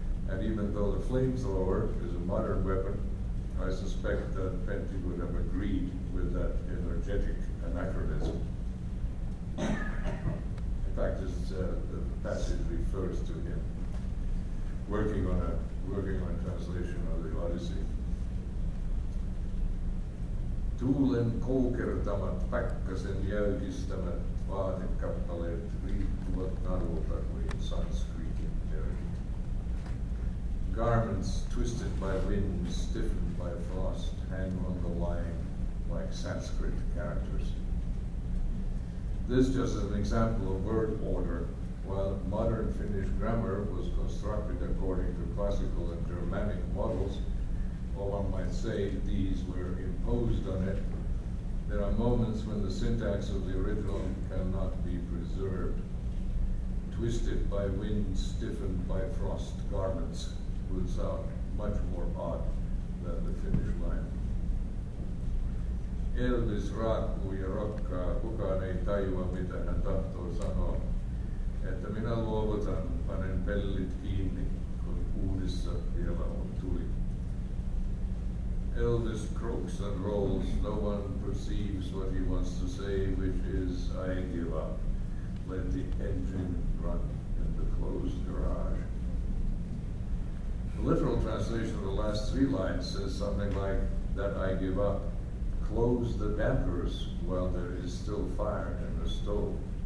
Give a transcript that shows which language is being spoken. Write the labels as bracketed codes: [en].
[en] And even though the flamethrower is a modern weapon, I suspect that Pentti would have agreed with that energetic anachronism. In fact, the passage refers to him working on translation of the Odyssey. [fi] Tuulen koukertamat, pakkasen jäykistämät vaatekappaleet riippuvat narulta kuin sunscreenin terveen. [en] garments twisted by wind, stiffened by frost, hang on the line like Sanskrit characters. This just an example of word order. While modern Finnish grammar was constructed according to classical and Germanic models, or one might say these were imposed on it, there are moments when the syntax of the original cannot be preserved. Twisted by wind, stiffened by frost, garments would sound much more odd than the Finnish line. [fi] Elvis raakkuu ja rokkaa, kukaan ei tajua mitä hän tahtoo sanoa. Että minä luovutan, panen pellit kiinni, kun uunissa vielä on tuli. [en] Elvis croaks and rolls, no one perceives what he wants to say, which is, I give up. Let the engine run in the closed garage. The literal translation of the last three lines says something like, that I give up, close the dampers while there is still fire in the stove.